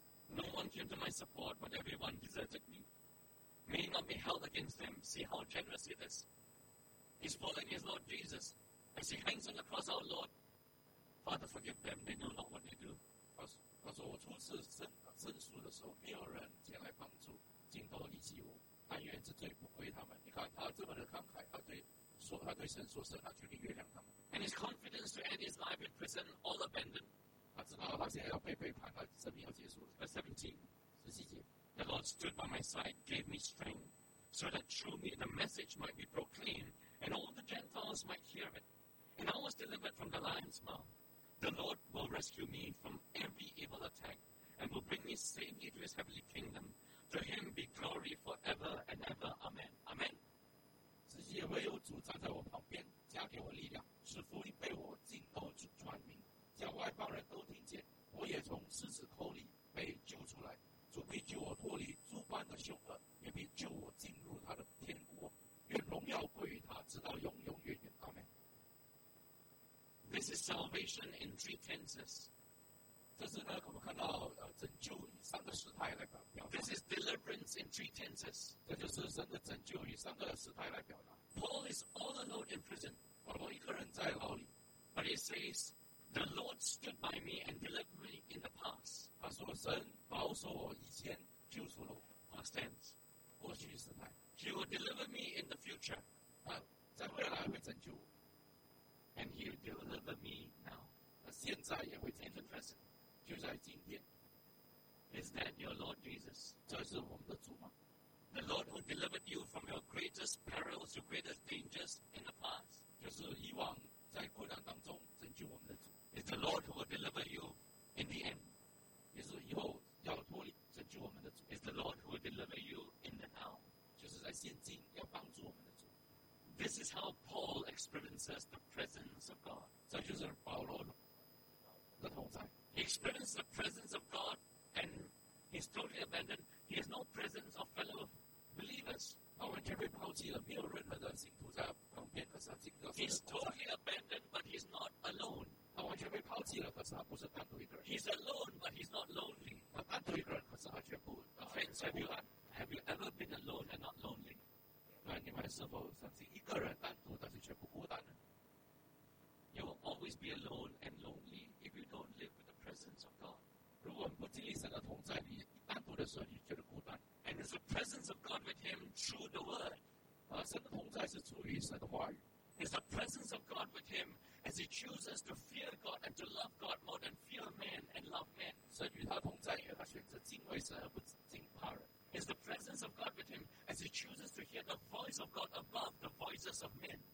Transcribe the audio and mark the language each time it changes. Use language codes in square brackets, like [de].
[en] No one came to my support, but everyone deserted me. May not be held against them. See how generous it is. He's following his Lord Jesus as he hangs on the cross, our Lord. Father, forgive them. They know not what they do. [zh] 他说我初次申诉的时候，没有人前来帮助，尽都离弃我。但愿这罪不归他们。你看他这么的慷慨，他对神说神啊，求你原谅他们。 [en] And his confidence to end his life in prison all abandoned. [zh] 他知道他现在要被背叛，他生命要结束了。 17节。 [en] The Lord stood by my side, gave me strength, so that through me the message might be proclaimed, and all the Gentiles might hear it. And I was delivered from the lion's mouth. The Lord will rescue me from every evil attack and will bring me safely to his heavenly kingdom. To him be glory forever and ever. Amen. Amen. [zh] 实际唯有主站在我旁边，加给我力量，使福音被我尽都传明，叫外邦人都听见。我也从狮子口里被救出来。主必救我脱离诸般的凶恶，也必救我进入他的天国。愿荣耀归于他，直到永永远远。 [en] Amen. This is salvation in three tenses. [zh] 这是呢，我们看到拯救以三个时态来表达。 [en] This is deliverance in three tenses. [zh] 这就是神的拯救以三个时态来表达。 [en] Paul is all alone in prison. [zh] 保罗一个人在牢里。 [en] But he says, "The Lord stood by me and delivered me in the past." [zh] 他说神保守我以前救赎了我。 [en] Past tense. [zh] 过去时态。 [en] He will deliver me in the future. [zh] 他在未来会拯救我。 [en] And he will deliver me now. [zh] 现在也会 [en] in the present. [zh] 就在今天。 [en] Is that your Lord Jesus? [zh] 这是我们的主吗？ [en] The Lord who delivered you from your greatest perils, your greatest dangers in the past. [zh] 就是以往在苦难当中拯救我们的主。 [en] Is the Lord who will deliver you in the end. [zh] 也是以后要脱离拯救我们的主。 [en] Is the Lord who will deliver you in the now. [zh] 就是在现今要帮助我们的。 [en] This is how Paul experiences the presence of God. [zh] 这就是保罗的同在。 [en] He experiences the presence of God and he's totally abandoned. He has no presence of fellow believers. [zh] 他完全被抛弃了，没有任何的信徒在旁边，可是他进入到。 [en] He's totally abandoned, but he's not alone. [zh] 他完全被抛弃了，可是他不是单独一个人。 [en] He's alone, but he's not lonely. [zh] 他单独一个人，可是他却不。 [en] Friends, have you ever been alone and not lonely? [zh] 你们是否相信一个人单独，但是却不孤单呢 [en] ？You will always be alone and lonely if you don't live with the presence of God. [zh] 如果我们不经历神的同在，你单独的时候，你觉得孤单。 [en] And it's a presence presence of God with him through the word. It's the presence of God with him as he chooses to fear God and to love God more than fear man and love man. It's the presence of God with him as he chooses to hear the voice of God above the voices of men.